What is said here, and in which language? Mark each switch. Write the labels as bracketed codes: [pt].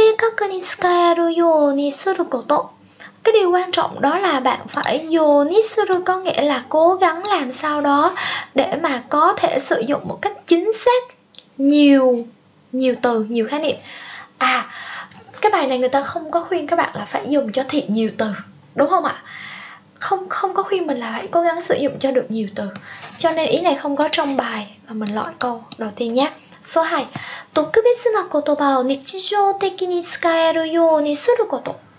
[ja] Ookuの言葉を正確に使えるようにすること. [vi] Cái điều quan trọng đó là bạn phải yoniする, có nghĩa là cố gắng làm sao đó để mà có thể sử dụng một cách chính xác nhiều, nhiều từ, nhiều khái niệm. À, cái bài này người ta không có khuyên các bạn là phải dùng cho thiệt nhiều từ, đúng không ạ? Không có khuyên mình là hãy cố gắng sử dụng cho được nhiều từ. Cho nên ý này không có trong bài, mà mình loại câu đầu tiên nhé. Số 2. [ja] 特別な言葉を日常的に使えるようにすること.